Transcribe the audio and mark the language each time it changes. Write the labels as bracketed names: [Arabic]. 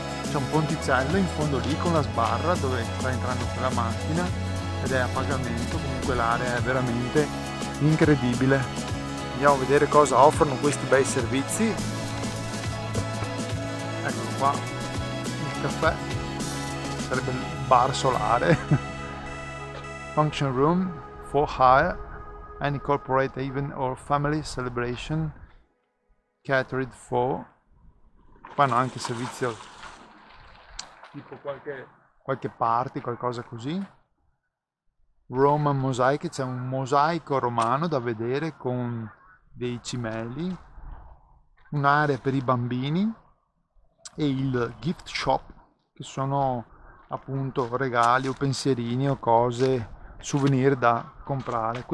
[Italian] C'è un ponticello in fondo lì con la sbarra dove sta entrando per la macchina ed è a pagamento. Comunque l'area è veramente incredibile. Andiamo a vedere cosa offrono questi bei servizi. Il caffè, sarebbe il bar solare. [English] Function room for hire, any corporate event or family celebration catered for. [Italian] Qua hanno anche servizio tipo qualche party, qualcosa così. [English] Roman mosaic, [Italian] c'è un mosaico romano da vedere con dei cimeli, un'area per i bambini e il gift shop, che sono appunto regali o pensierini o cose, souvenir da comprare.